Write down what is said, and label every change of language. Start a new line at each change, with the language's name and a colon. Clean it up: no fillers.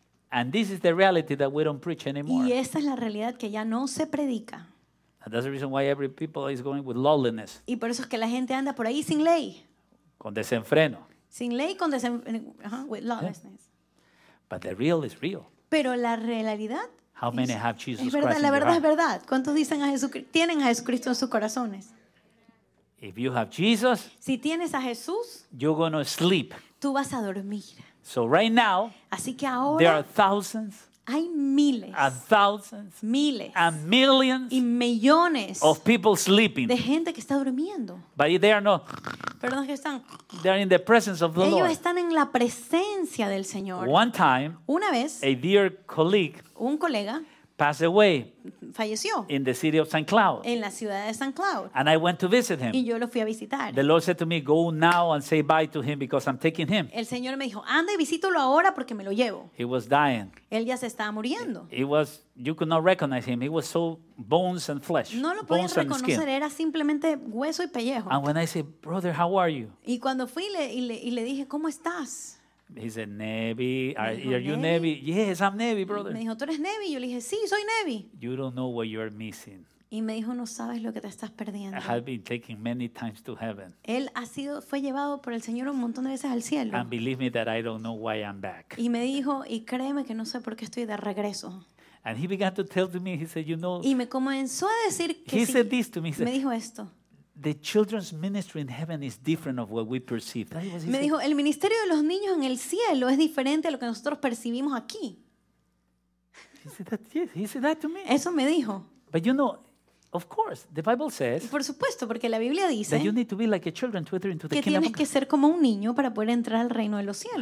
English: And this is the reality that we don't preach anymore.
Spanish: Y esta es la realidad que ya no se predica.
English: And that's the reason why every people is going with lawlessness.
Spanish: Y por eso es que la gente anda por ahí sin ley. Con desenfreno. Sin ley, con
English: with lawlessness. Yeah. But the real is real.
Spanish: Pero la realidad.
English: How many have Jesus Christ?
Spanish: Es verdad,
English: Christ
Spanish: la verdad
English: in your
Spanish: es verdad. ¿Cuántos dicen a Jesucristo, tienen a Jesucristo en sus corazones?
English: If you have Jesus,
Spanish: si tienes a Jesús,
English: you're going to sleep.
Spanish: Tú vas a dormir.
English: So right now,
Spanish: así que ahora,
English: there are thousands.
Spanish: Hay miles,
English: and thousands,
Spanish: miles,
English: and millions,
Spanish: y millones
English: of people sleeping,
Spanish: de gente que está durmiendo.
English: But they are not.
Spanish: Perdón, que están.
English: They are in the presence of the
Spanish: ellos
English: Lord.
Spanish: Ellos están en la presencia del Señor.
English: One time,
Spanish: una vez,
English: a dear colleague,
Spanish: un colega,
English: passed away,
Spanish: falleció,
English: in the city of St. Cloud,
Spanish: en la ciudad de St. Cloud.
English: And I went to visit him.
Spanish: Y yo lo fui a visitar.
English: The Lord said to me, "Go now and say bye to him because I'm taking him."
Spanish: El Señor me dijo, "Anda y visítalo ahora porque me lo llevo."
English: He was dying.
Spanish: Él ya se estaba muriendo.
English: He was, you could not recognize him. He was so bones and flesh.
Spanish: No lo podías reconocer. Era simplemente hueso y pellejo.
English: And when I said, "Brother, how are you?"
Spanish: Y cuando fui le dije, "¿Cómo estás?"
English: He said, "Nevi, are you Nevi?" "Yes, I'm Nevi, brother."
Spanish: Me dijo, "¿Tú eres Nevi?" Yo le dije, "Sí, soy Nevi."
English: "You don't know what you're missing."
Spanish: Y me dijo, "No sabes lo que te estás perdiendo."
English: "I have been taken many times to heaven."
Spanish: Él fue llevado por el Señor un montón de veces al cielo.
English: "And believe me that I don't know why I'm back."
Spanish: Y me dijo, "Y créeme que no sé por qué estoy de regreso."
English: And he began to tell to me, he said, "You know."
Spanish: Y me comenzó a decir que
English: he
Spanish: sí.
English: He said this to me.
Spanish: Me dijo esto.
English: The children's ministry in heaven is different of what we perceive. That was
Spanish: me dijo, el ministerio de los niños en el cielo es diferente a lo que nosotros percibimos aquí.
English: He said that, yes, he said that to me.
Spanish: Eso me dijo.
English: But you know, of course, the Bible says.
Spanish: Y por supuesto, porque la Biblia dice.
English: That you need to be like a children to enter into the kingdom.
Spanish: Que tienes que ser como un niño para poder entrar al reino de los cielos.